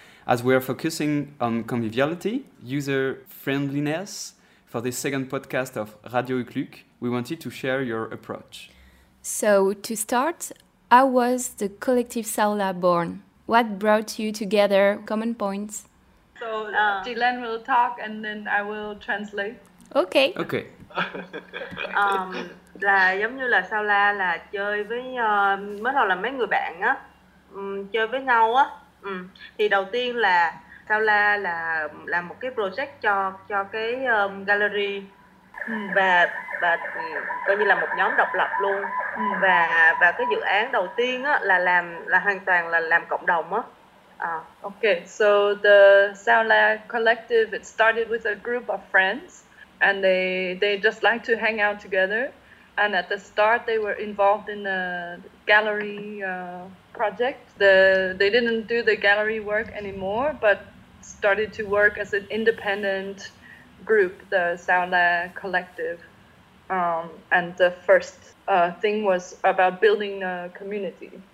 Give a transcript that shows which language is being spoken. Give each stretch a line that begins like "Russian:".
English: As we are focusing on conviviality, user-friendliness, for this second podcast of Radio UCLUC, we wanted to share your approach. So, to start, how was the collective Saola born? What brought you together? Common points? So, Dylan will talk and then I will translate. Okay. Okay.
Vietnamese: là giống như là Saola là chơi với, mới đầu là mấy người bạn á, chơi với nhau á. Thì đầu tiên là Saola là làm một cái project cho cái gallery. Và coi như là một nhóm độc lập luôn. Và cái dự án đầu tiên á là làm là hoàn toàn là làm cộng đồng á.
English: Okay, so the Saola collective, it started with a group of friends and they just like to hang out together, and at the start they were involved in a gallery project. They didn't do the gallery work anymore but started to work as an independent group, the Saola Collective, and the first thing was about building a community.